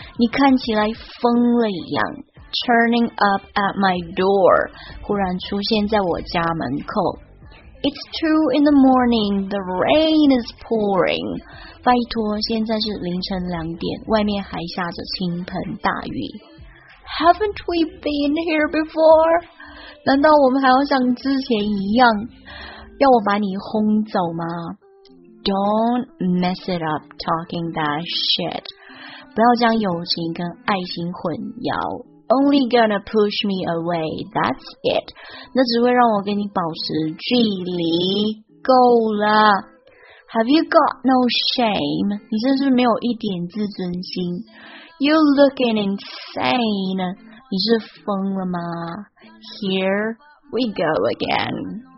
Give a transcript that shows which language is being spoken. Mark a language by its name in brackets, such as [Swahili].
[Chinese] 你看起来疯了一样。 [English] Turning up at my door. [Chinese] 忽然出现在我家门口。 [English] It's 2 in the morning. The rain is pouring. [Chinese] 拜托，现在是凌晨两点，外面还下着倾盆大雨。 [English] Haven't we been here before? [Chinese] 难道我们还要像之前一样，要我把你轰走吗 ？ [English] Don't mess it up talking that shit. [Chinese] 不要将友情跟爱情混淆。 [English] Only gonna push me away, that's it. [Chinese] 那只会让我跟你保持距离，够了。 [English] Have you got no shame? [Chinese] 你真是没有一点自尊心。 [English] You're looking insane. [Chinese] 你是疯了吗 ？ [English] Here we go again.